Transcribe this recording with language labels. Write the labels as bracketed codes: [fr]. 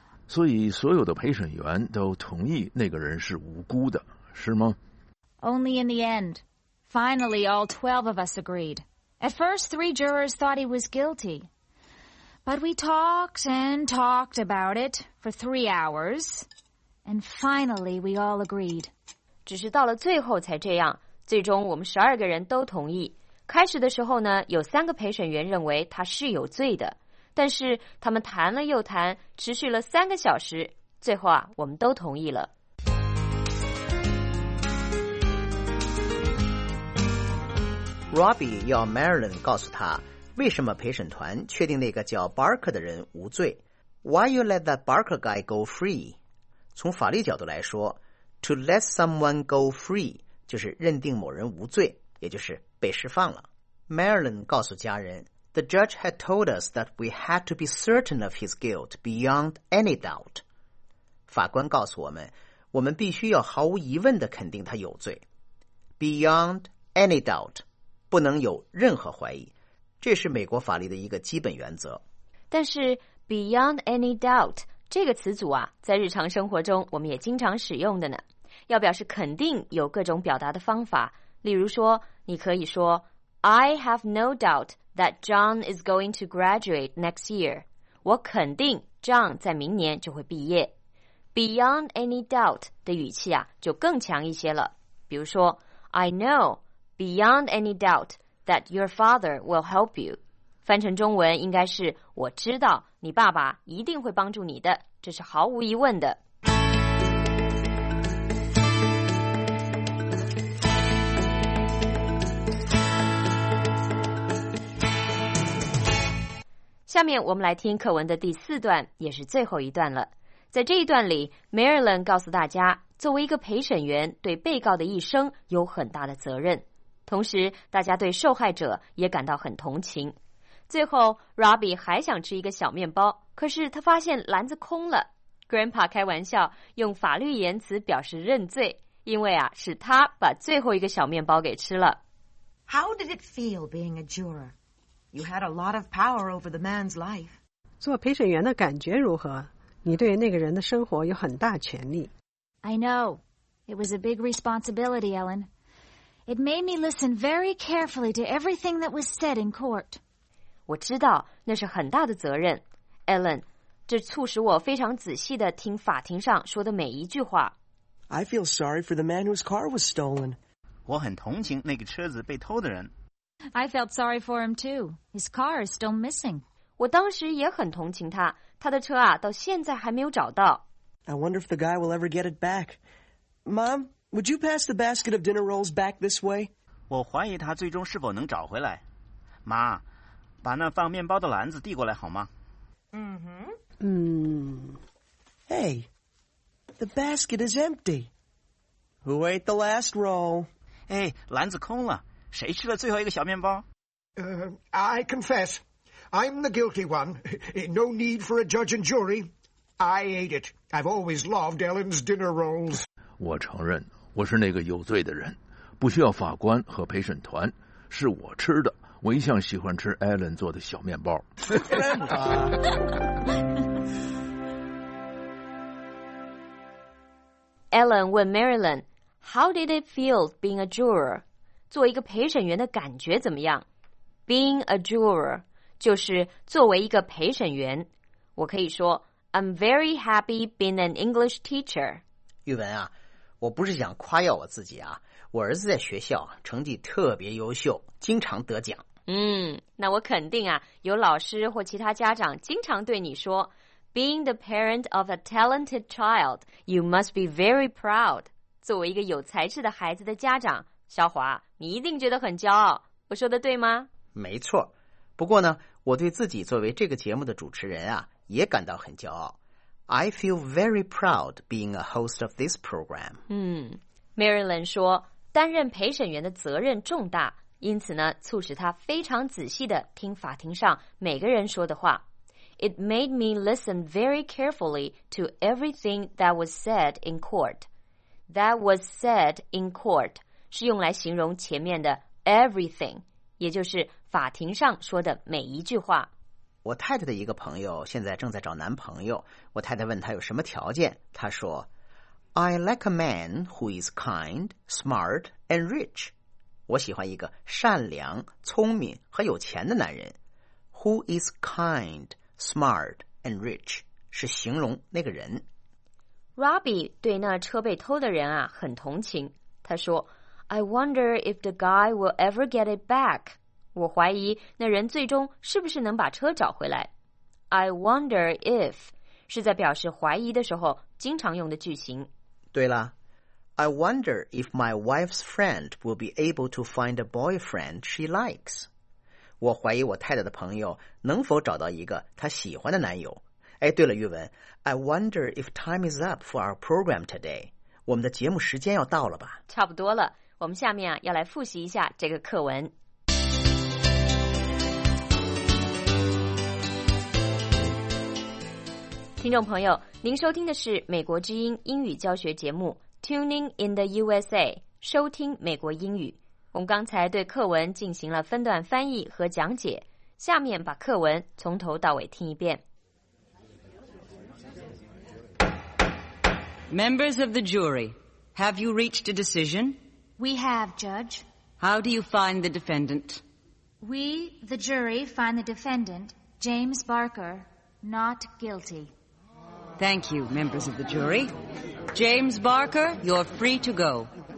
[zh] 所以所有的陪审员都同意那个人是无辜的是吗 [en] ?Only in the end. Finally, all 12 of us agreed. At first, three jurors thought he was guilty. But we talked and talked about it for 3 hours, and finally we all agreed. [zh] 只是到了最后才这样，最终我们12个人都同意。开始的时候呢，有三个陪审员认为他是有罪的，但是他们谈了又谈，持续了三个小时，最后啊，我们都同意了。 Robbie 要 Marilyn 告诉他为什么陪审团确定那个叫 Barker 的人无罪 ? [en] Why you let that Barker guy go free? [zh] 从法律角度来说 , [en] to let someone go free, [zh] 就是认定某人无罪也就是被释放了。 [en] Marilyn [zh] 告诉家人 [en] ,the judge had told us that we had to be certain of his guilt beyond any doubt. [zh] 法官告诉我们我们必须要毫无疑问地肯定他有罪。 [en] Beyond any doubt, [zh] 不能有任何怀疑。这是美国法律的一个基本原则。但是 [en] beyond any doubt [zh] 这个词组啊在日常生活中我们也经常使用的呢。要表示肯定有各种表达的方法例如说你可以说 [en] I have no doubt that John is going to graduate next year. [zh] 我肯定 John 在明年就会毕业。 [en] Beyond any doubt [zh] 的语气啊，就更强一些了。比如说 [en] I know beyond any doubt that your father will help you. [zh] 翻成中文应该是我知道你爸爸一定会帮助你的，这是毫无疑问的。下面我们来听课文的第四段，也是最后一段了。在这一段里 ，Marilyn 告诉大家，作为一个陪审员，对被告的一生有很大的责任，同时大家对受害者也感到很同情。最后 ，Robbie 还想吃一个小面包，可是他发现篮子空了。 Grandpa 开玩笑，用法律言辞表示认罪，因为啊，是他把最后一个小面包给吃了。 [en] How did it feel being a juror? You had a lot of power over the man's life. [zh] 做陪审员的感觉如何？你对那个人的生活有很大权力。 [en] I know. It was a big responsibility, Ellen. It made me listen very carefully to everything that was said in court. [zh] 我知道那是很大的责任 ，Ellen. 这促使我非常仔细地听法庭上说的每一句话。 [en] I feel sorry for the man whose car was stolen. [zh] 我很同情那个车子被偷的人。 [en] I felt sorry for him too. His car is still missing. [zh] 我当时也很同情他，他的车啊，到现在还没有找到。 [en] I wonder if the guy will ever get it back. Mom, would you pass the basket of dinner rolls back this way? [zh] 我怀疑他最终是否能找回来。妈，把那放面包的篮子递过来好吗？嗯哼。 [en] 嗯。Hey, the basket is empty. Who ate the last roll? [zh] 哎，篮子空了。谁吃了最后一个小面包？ [en] I confess. I'm the guilty one. No need for a judge and jury. I ate it. I've always loved Ellen's dinner rolls. [zh] 我承认，我是那个有罪的人，不需要法官和陪审团，是我吃的。我一向喜欢吃 Ellen 做的小面包。 [en] Ellen [zh] 问 [en] Marilyn, How did it feel being a juror? [zh] 做一个陪审员的感觉怎么样 ？ [en] Being a juror [zh] 就是作为一个陪审员。我可以说 [en] ，I'm very happy being an English teacher。 [zh] 玉文啊，我不是想夸耀我自己啊，我儿子在学校成绩特别优秀，经常得奖。嗯，那我肯定啊，有老师或其他家长经常对你说 ， [en] Being the parent of a talented child, you must be very proud。 [zh] 作为一个有才智的孩子的家长。小华，你一定觉得很骄傲，我说的对吗？没错，不过呢，我对自己作为这个节目的主持人啊，也感到很骄傲。 [en] I feel very proud being a host of this program. [zh] 嗯 ，Marilyn 说，担任陪审员的责任重大，因此呢，促使他非常仔细地听法庭上每个人说的话。 [en] It made me listen very carefully to everything that was said in court. That was said in court. [zh] 是用来形容前面的 everything， 也就是法庭上说的每一句话。我太太的一个朋友现在正在找男朋友，我太太问他有什么条件，他说 ： [en] “I like a man who is kind, smart, and rich。” [zh] 我喜欢一个善良、聪明和有钱的男人。 [en] Who is kind, smart, and rich [zh] 是形容那个人。 Robbie 对那车被偷的人啊很同情，他说。 [en] I wonder if the guy will ever get it back. [zh] 我怀疑那人最终是不是能把车找回来。 [en] I wonder if [zh] 是在表示怀疑的时候经常用的句型。对了 [en] ，I wonder if my wife's friend will be able to find a boyfriend she likes. [zh] 我怀疑我太太的朋友能否找到一个她喜欢的男友。哎，对了， [en] 玉文 ，I wonder if time is up for our program today. [zh] 我们的节目时间要到了吧？差不多了。我们下面啊，要来复习一下这个课文。听众朋友，您收听的是美国之音英语教学节目 Tuning in the USA， 收听美国英语。我们刚才对课文进行了分段翻译和讲解，下面把课文从头到尾听一遍。 [en] Members of the jury, have you reached a decision? We have, Judge. How do you find the defendant? We, the jury, find the defendant, James Barker, not guilty. Thank you, members of the jury. James Barker, you're free to go.